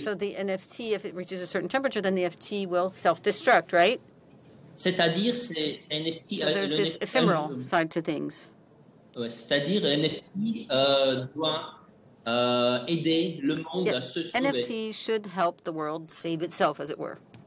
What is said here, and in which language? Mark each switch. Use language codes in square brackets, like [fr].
[en] So the NFT if it reaches a certain temperature then the NFT will self-destruct right. [fr] C'est-à-dire, c'est NFT. [en] So there's this ephemeral side to things. [fr] C'est-à-dire, NFT doit aider le monde [en] yeah. [fr] à se sauver. [en] NFT should help the world save itself, as it were.